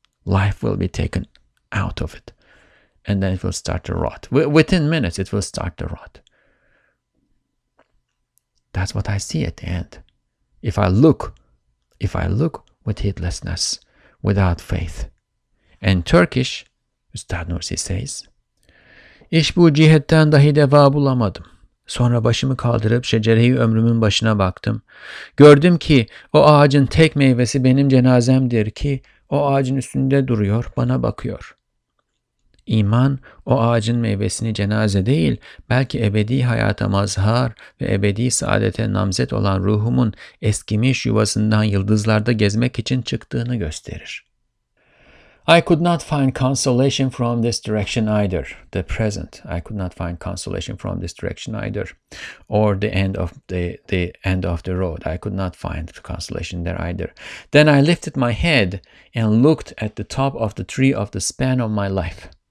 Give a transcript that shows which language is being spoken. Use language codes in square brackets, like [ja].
[en] Life will be taken out of it. And then it will start to rot. Within minutes, it will start to rot. That's what I see at the end. If I look with heedlessness, without faith. And Turkish, [tr] Üstad Nursi [en] says, [tr] İş bu cihetten dahi deva bulamadım. Sonra başımı kaldırıp şecereyi ömrümün başına baktım. Gördüm ki o ağacın tek meyvesi benim cenazemdir ki o ağacın üstünde duruyor, bana bakıyor. İman, o ağacın meyvesini cenaze değil, belki ebedi hayata mazhar ve ebedi saadete namzet olan ruhumun eskimiş yuvasından yıldızlarda gezmek için çıktığını gösterir. [en] I could not find consolation from this direction either. The present, I could not find consolation from this direction either. Or the end of the end of the road, I could not find consolation there either. Then I lifted my head and looked at the top of the tree of the span of my life.